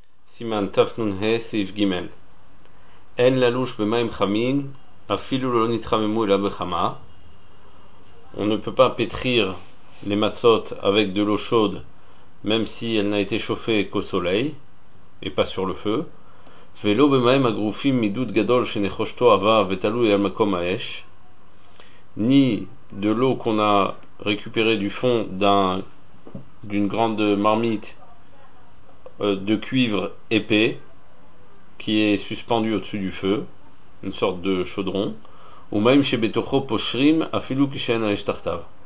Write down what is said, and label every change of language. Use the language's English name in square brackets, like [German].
[Hebrew] סימן תפנון ה' סעיף ג' אין ללוש במים חמים אפילו לא נתחממו אלא בחמה. [French] On ne peut pas pétrir les matzot avec de l'eau chaude même si elle n'a été chauffée qu'au soleil et pas sur le feu. [Hebrew] ולא במים הגרופים מדוד גדול שנחושתו עבה ותלוי על מקום האש. [French] Ni de l'eau qu'on a récupérée du fond d'une grande marmite de cuivre épais qui est suspendu au-dessus du feu, une sorte de chaudron, ou même chez [Hebrew] Betocho Pochrim Afilu Kishen Aeshtartav.